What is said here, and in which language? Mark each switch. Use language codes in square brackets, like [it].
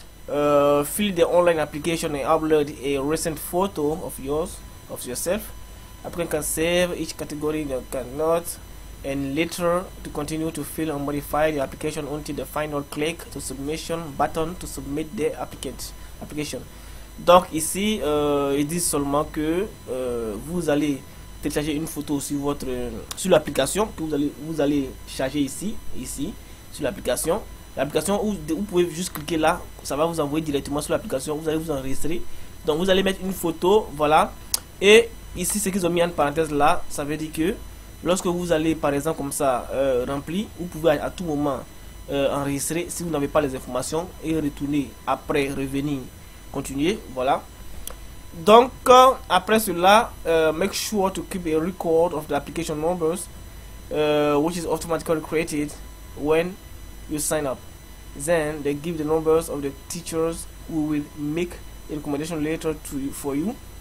[en] Fill the online application and upload a recent photo of yourself. [fr] Après, [en] you can save each category that cannot. And later to continue to fill and modify the application until the final click to submission button to submit the application. [fr] Donc ici, ils disent seulement que vous allez télécharger une photo sur l'application que vous allez charger ici sur l'application. L'application où vous pouvez juste cliquer là, ça va vous envoyer directement sur l'application. Vous allez vous enregistrer. Donc vous allez mettre une photo, voilà. Et ici, ce qu'ils ont mis en parenthèse là, ça veut dire que lorsque vous allez, par exemple, comme ça, rempli, vous pouvez à tout moment enregistrer si vous n'avez pas les informations et retourner après, revenir, continuer. Voilà. Donc, après cela, [en] make sure to keep a record of the application numbers, which is automatically created when you sign up. Then, they give the numbers of the teachers who will make a recommendation later for you.